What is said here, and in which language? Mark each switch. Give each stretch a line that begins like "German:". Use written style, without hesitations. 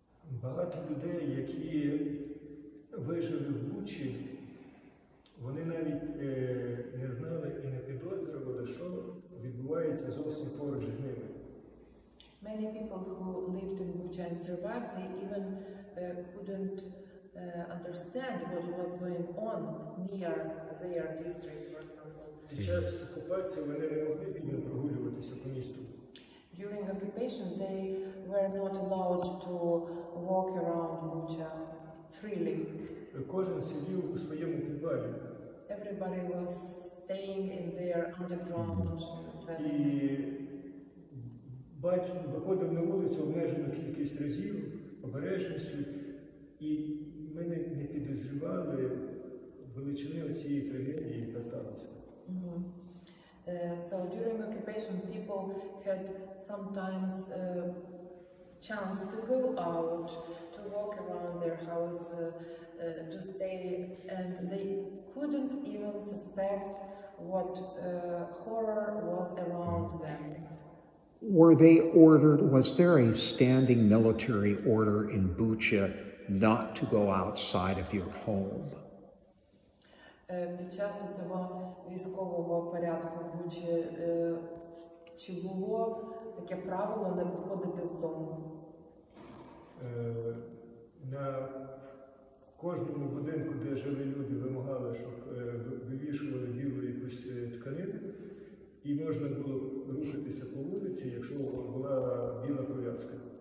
Ukrainian: Багато людей, які вижили в Бучі, вони навіть не знали і не підозрювали, що відбувається зовсім поруч з ними.
English: Many people who lived in Bucha and survived, they even couldn't understand what was going on near their district, for example.
Ukrainian: Під час окупації вони не могли вільно прогулюватися по місту.
English: during occupation, they were not allowed to walk around Bucha freely.
Ukrainian: Кожен сидів у своєму підвалі.
English: Everybody was staying in their underground dwelling.
Ukrainian: І батько виходив на вулицю обмежену кількість разів, обережністю, і ми не підозрювали величини цієї трагедії, яка сталася.
English: So during occupation, people had sometimes chance to go out, to walk around their house, to stay, and they couldn't even suspect what horror was around them. Were they ordered, was there a standing military order in Bucha not to go outside of your home?
Ukrainian: Під час цього військового порядку Бучі, чи було таке правило не виходити з дому? На кожному будинку, де жили люди, вимагали, щоб вивішували білу якусь тканину, і можна було рухатися по вулиці, якщо була біла пов'язка.